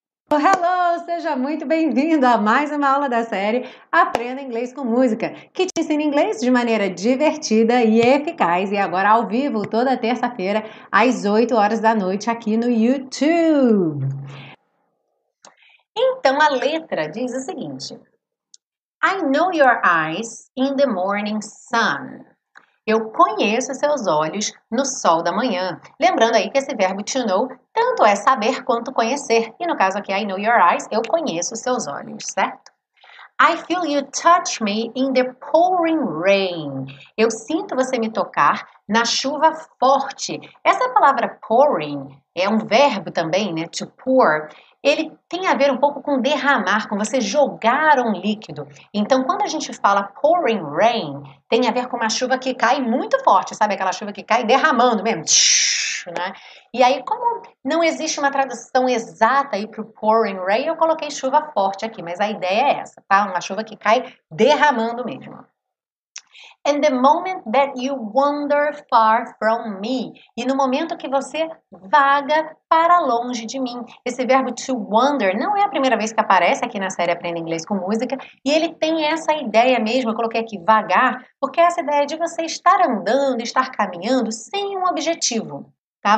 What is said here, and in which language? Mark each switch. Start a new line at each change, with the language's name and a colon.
Portuguese: Hello, seja muito bem-vindo a mais uma aula da série Aprenda Inglês com Música, que te ensina inglês de maneira divertida e eficaz. E agora ao vivo, toda terça-feira, às 8 horas da noite, aqui no YouTube. Então, a letra diz o seguinte.
English: I know your eyes in the morning sun.
Portuguese: Eu conheço seus olhos no sol da manhã. Lembrando aí que esse verbo to know tanto é saber quanto conhecer. E no caso aqui,
English: I know your eyes,
Portuguese: eu conheço seus olhos, certo?
English: I feel you touch me in the pouring rain.
Portuguese: Eu sinto você me tocar na chuva forte. Essa palavra pouring é um verbo também, né? To pour. Ele tem a ver um pouco com derramar, com você jogar um líquido. Então, quando a gente fala pouring rain, tem a ver com uma chuva que cai muito forte, sabe? Aquela chuva que cai derramando mesmo, né? E aí, como não existe uma tradução exata aí para o pouring rain, eu coloquei chuva forte aqui, mas a ideia é essa, tá? Uma chuva que cai derramando mesmo.
English: And the moment that you wander far from me.
Portuguese: E no momento que você vaga para longe de mim. Esse verbo to wander não é a primeira vez que aparece aqui na série Aprenda Inglês com Música. E ele tem essa ideia mesmo, eu coloquei aqui vagar, porque é essa ideia de você estar andando, estar caminhando sem um objetivo. Tá?